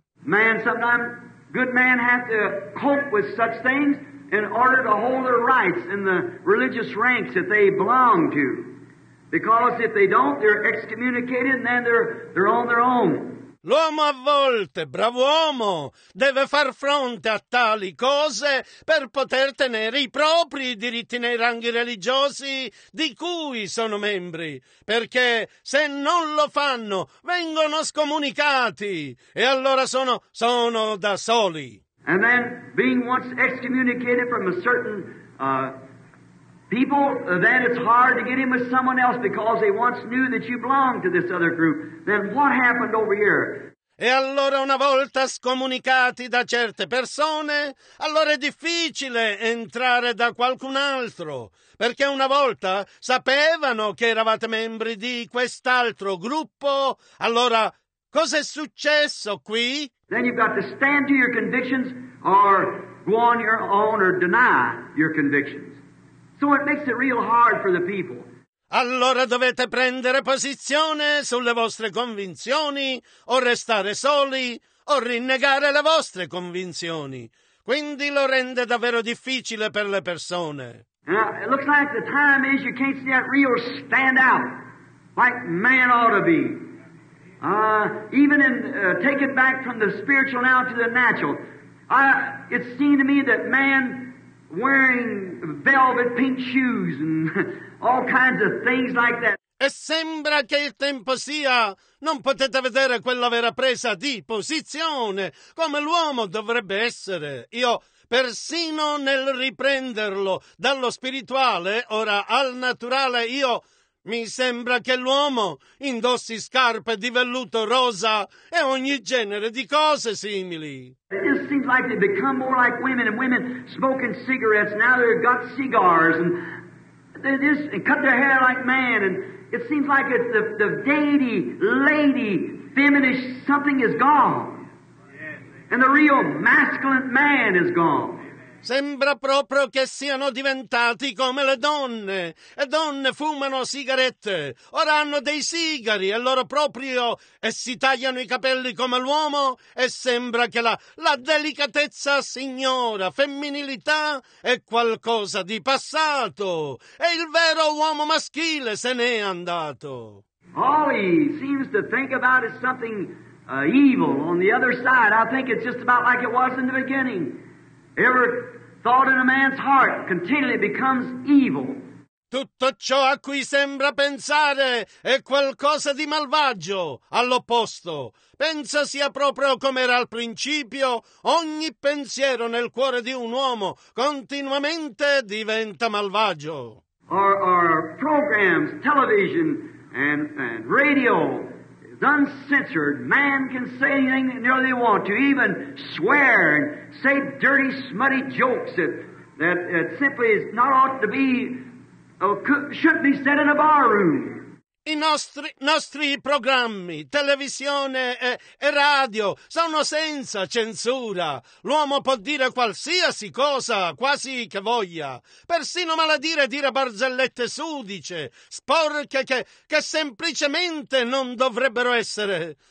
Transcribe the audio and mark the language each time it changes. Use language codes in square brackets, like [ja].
[en] Man, sometimes good man has to cope with such things in order to hold their rights in the religious ranks that they belong to. Because if they don't, they're excommunicated and then they're on their own. [it] L'uomo a volte, bravo uomo, deve far fronte a tali cose per poter tenere i propri diritti nei ranghi religiosi di cui sono membri. Perché se non lo fanno, vengono scomunicati e allora sono da soli. [en] And then being once excommunicated from a certain people, then it's hard to get in with someone else because they once knew that you belonged to this other group. Then what happened over here? [it] E allora una volta scomunicati da certe persone, allora è difficile entrare da qualcun altro, perché una volta sapevano che eravate membri di quest'altro gruppo, allora cos'è successo qui? [en] Then you've got to stand to your convictions or go on your own or deny your convictions. So it makes it real hard for the people. [it] Allora dovete prendere posizione sulle vostre convinzioni o restare soli o rinnegare le vostre convinzioni. Quindi lo rende davvero difficile per le persone. [en] Now, it looks like the time is you can't see that real stand out like man ought to be. Even in take it back from the spiritual now to the natural. It seemed to me that man wearing velvet pink shoes and all kinds of things like that. [it] E sembra che il tempo sia, non potete vedere quella vera presa di posizione come l'uomo dovrebbe essere. Io persino nel riprenderlo dallo spirituale ora al naturale, io mi sembra che l'uomo indossi scarpe di velluto rosa e ogni genere di cose simili. [en] It just seems like they become more like women, and women smoking cigarettes. Now they've got cigars, and they just and cut their hair like men. And it seems like it's the deity, lady, feminist something is gone, and the real masculine man is gone. [it] Sembra proprio che siano diventati come le donne. E donne fumano sigarette. Ora hanno dei sigari, e loro proprio, e si tagliano i capelli come l'uomo, e sembra che la delicatezza signora, femminilità, è qualcosa di passato. E il vero uomo maschile se n'è andato. [en] All he seems to think about is something evil on the other side. I think it's just about like it was in the beginning. Ever thought in a man's heart continually becomes evil. [it] Tutto ciò a cui sembra pensare è qualcosa di malvagio, all'opposto. Pensa sia proprio come era al principio, ogni pensiero nel cuore di un uomo continuamente diventa malvagio. [en] Our programs, television and radio, is uncensored. Man can say anything nearly they want to, even swear and say dirty, smutty jokes that simply is not ought to be. Should be said in a bar room. [it] I nostri programmi, televisione e radio, sono senza censura. L'uomo può dire qualsiasi cosa, quasi che voglia. Persino maledire e dire barzellette sudice, sporche che semplicemente non dovrebbero essere.